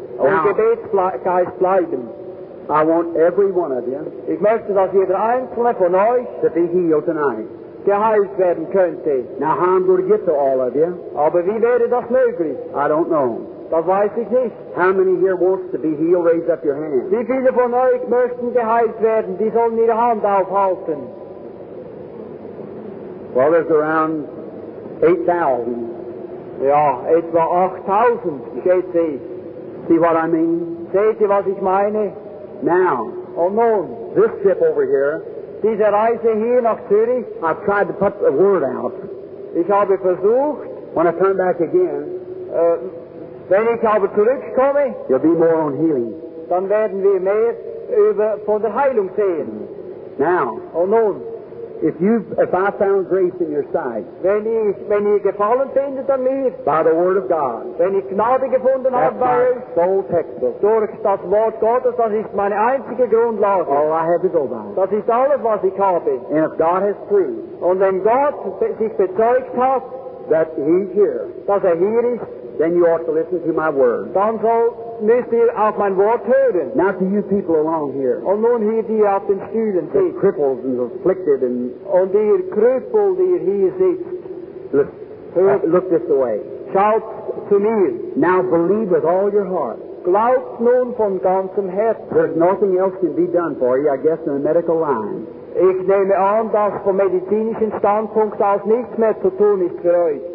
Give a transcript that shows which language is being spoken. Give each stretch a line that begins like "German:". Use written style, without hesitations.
English: Now, I want every one of you,
German: ich möchte, dass jeder einzelne von euch,
English: to be healed tonight.
German: Geheilt werden könnte.
English: Now, how I'm going to get to all of you?
German: Aber wie wäre das möglich?
English: I don't know.
German: Das weiß ich nicht.
English: How many here wants to be healed? Raise up your hand.
German: Wie viele von euch möchten geheilt werden? Die sollen ihre Hand aufhalten.
English: Well, there's around 8,000.
German: Ja, etwa 8,000, schätze ich.
English: See what I mean?
German: Seht ihr, was ich meine?
English: Now.
German: Oh nun.
English: This trip over here.
German: Diese Reise hier nach Zürich.
English: I've tried to put the word out.
German: Ich habe versucht.
English: When I turn back again.
German: Wenn ich aber zurückkomme.
English: You'll be more on healing.
German: Dann werden wir mehr über von der Heilung sehen.
English: Now.
German: Oh nun.
English: If I found grace in your sight,
German: wenn ihr gefallen findet an mir,
English: by the Word of God,
German: wenn ich Gnade gefunden habe bei euch,
English: that's my sole textbook,
German: durch das Wort Gottes, das ist meine einzige Grundlage,
English: all I have to go by,
German: das ist alles, was ich habe,
English: and if God has proved,
German: und wenn Gott sich bezeugt hat,
English: that He's here,
German: dass hier ist,
English: then you ought to listen to my word.
German: Dann so müsst ihr auf mein Wort hören.
English: Now to you people along here.
German: Und nun hier die auf den Stühlen sitzt.
English: The crippled and afflicted and...
German: Und ihr Krüppel, die ihr hier sitzt.
English: Look this way.
German: Schaut zu mir.
English: Now believe with all your heart.
German: Glaubt nun von ganzem Herzen.
English: There's nothing else can be done for you, I guess, in the medical line.
German: Ich nehme an, dass vom medizinischen Standpunkt aus nichts mehr zu tun ist für euch.